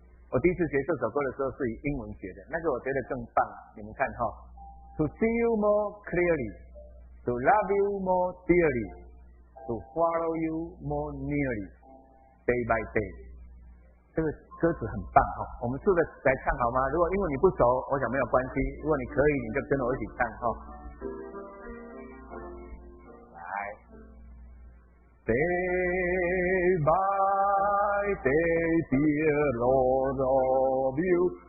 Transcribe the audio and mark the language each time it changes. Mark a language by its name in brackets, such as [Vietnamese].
[Chinese] 我第一次学这首歌的时候是以英文学的，那个我觉得更棒，你们看哈。 [English] To see you more clearly, to love you more dearly, to follow you more nearly, day by day. [Chinese] 这个歌词很棒、哦、我们试着来唱好吗？如果因为你不熟，我想没有关系。如果你可以，你就跟我一起唱、哦、来 [English] ，Day by day, dear Lord of you.